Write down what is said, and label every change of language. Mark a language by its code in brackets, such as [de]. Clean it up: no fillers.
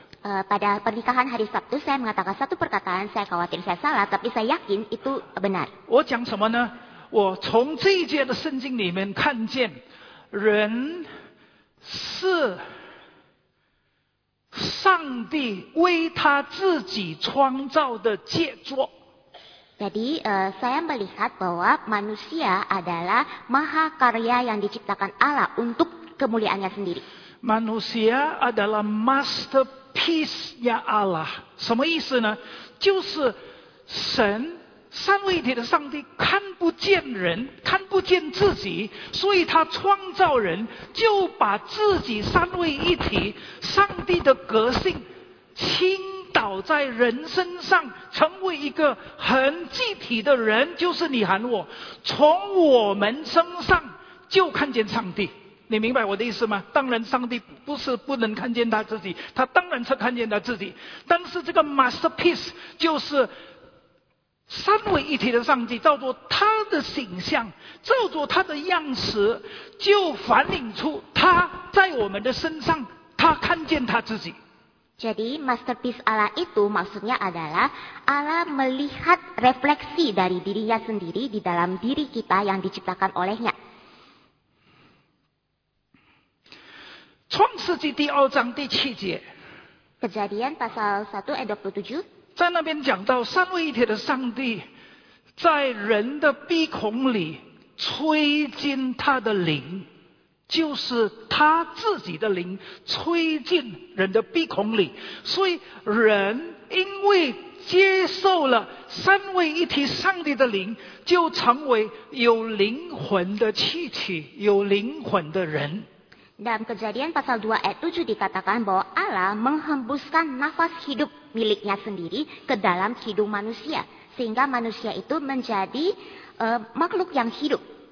[id] Pada pernikahan hari Sabtu saya mengatakan satu perkataan, saya khawatir saya salah, tapi saya yakin itu benar。 [zh] 我讲什么呢？我从这一节的圣经里面看见，人是上帝为他自己创造的杰作。 [id] Jadi, saya melihat bahwa manusia adalah maha karya yang diciptakan Allah untuk kemuliaannya sendiri. Manusia adalah masterpiece peace ya Allah [zh] 什么意思呢？就是神 三位一体的上帝 看不见人 看不见自己 所以他创造人 就把自己三位一体 上帝的个性 倾倒在人身上 成为一个很具体的人 就是你喊我 从我们身上 就看见上帝 你明白我的意思吗？当然上帝不是不能看见他自己 他当然是看见他自己 但是这个masterpiece 就是 三位一体的上帝照着他的形象，照着他的样式，就反映出他在我们的身上，他看见他自己。 [id] Jadi masterpiece Allah itu maksudnya adalah Allah melihat refleksi dari dirinya sendiri di dalam diri kita yang diciptakan olehnya. [zh] 创世纪第二章第七节。 [id] Kejadian pasal 1 ayat 27. [zh] 在那边讲到三位一体的上帝。在人的鼻孔里吹进他的灵，就是他自己的灵吹进人的鼻孔里，所以人因为接受了三位一体上帝的灵，就成为有灵魂的气体，有灵魂的人。 [id] Dalam kejadian pasal 2 ayat 7 dikatakan bahwa Allah menghembuskan nafas hidup miliknya sendiri ke dalam hidung manusia. Sehingga manusia itu menjadi makhluk yang hidup.